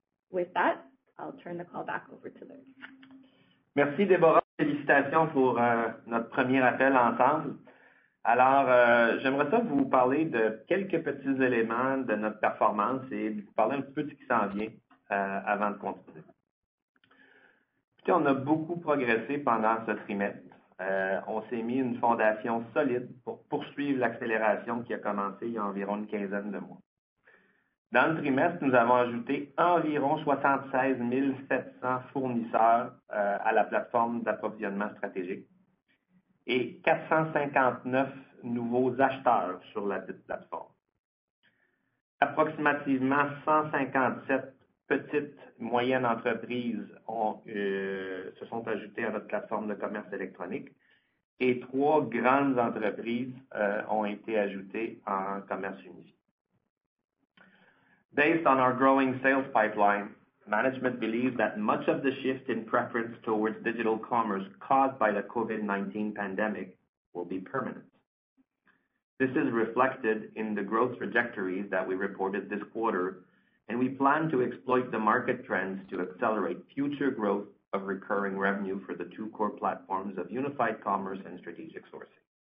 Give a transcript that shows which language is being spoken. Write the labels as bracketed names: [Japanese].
[English] With that, I'll turn the call back over to Luke. [French] Merci, Déborah. Félicitations pour notre premier appel ensemble. Alors, j'aimerais ça vous parler de quelques petits éléments de notre performance et vous parler un petit peu de ce qui s'en vient avant de continuer. Puis, on a beaucoup progressé pendant ce trimestre. On s'est mis une fondation solide pour poursuivre l'accélération qui a commencé il y a environ une quinzaine de mois. Dans le trimestre, nous avons ajouté environ 76 700 fournisseurs à la plateforme d'approvisionnement stratégique et 459 nouveaux acheteurs sur la petite plateforme. Approximativement 157 petites moyennes entreprises se sont ajoutées à notre plateforme de commerce électronique et 3 grandes entreprises ont été ajoutées en commerce unifié. [English] Based on our growing sales pipeline, management believes that much of the shift in preference towards digital commerce caused by the COVID-19 pandemic will be permanent. This is reflected in the growth trajectories that we reported this quarter, and we plan to exploit the market trends to accelerate future growth of recurring revenue for the two core platforms of unified commerce and strategic sourcing.